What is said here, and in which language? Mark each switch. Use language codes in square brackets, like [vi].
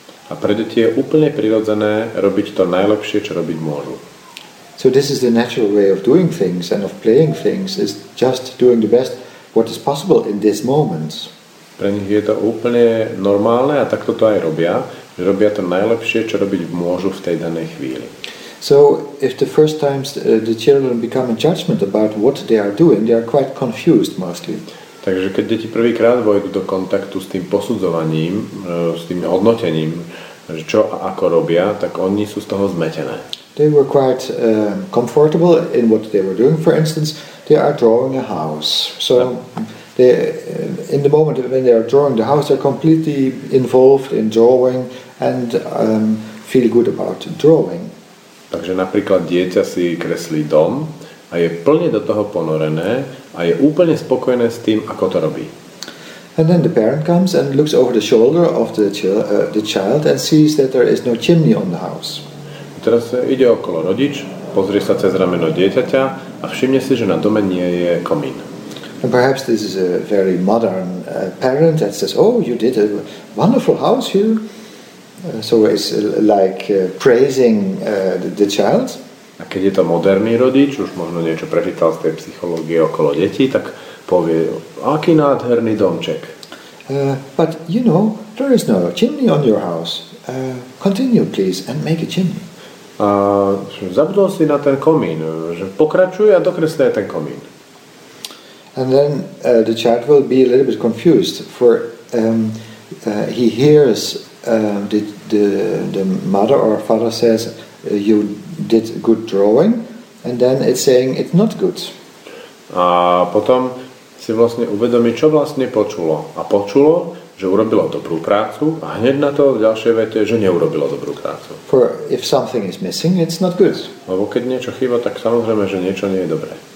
[sk] A pre deti je úplne prirodzené robiť to najlepšie, čo robiť môžu. [en] So this is the natural way of doing things and of playing things, is just doing the best what is possible in this moment. [sk] Pre nich je to úplne normálne a takto to aj robia, že robia to najlepšie, čo robiť môžu v tej danej chvíli. [en] So if the first times the children become in judgment about what they are doing, they are quite confused mostly. [sk] Takže keď deti prvýkrát vojdu do kontaktu s tým posudzovaním, s tým hodnotením, že čo a ako robia, tak oni sú z toho zmetené. [en] They were quite comfortable in what they were doing. For instance, they are drawing a house. So they, in the moment when they are drawing the house, they're completely involved in drawing and feel good about drawing. [sk] Takže napríklad dieťa si kreslí dom a je plne do toho ponorené a je úplne spokojné s tým, ako to robí. [en] And then the parent comes and looks over the shoulder of the child and sees that there is no chimney on the house. [sk] Teraz ide okolo rodič, pozrie sa cez rameno dieťaťa a všimne si, že na dome nie je komín. [en] And perhaps this is a very modern parent that says, oh, you did a wonderful house here. So it's like praising the child. [sk] A keď je to moderný rodič, už možno niečo prečítal z tej psychológie okolo detí, tak povie, aký nádherný domček. [en] But you know, there is no chimney on your house. Continue please and make a chimney. [sk] A zabudol si na ten komín, že pokračuje a dokreslí ten komín. [en] And then the child will be a little bit confused, for he hears the mother or father says you did good drawing, and then it's saying it's not good. [sk] A potom si vlastne uvedomí, čo vlastne počulo. A počulo, že urobilo dobrú prácu a hneď na to v ďalšej vete, že neurobilo dobrú prácu. [en] For if something is missing, it's not good. [sk] Lebo keď niečo chýba, tak samozrejme, že niečo nie je dobré.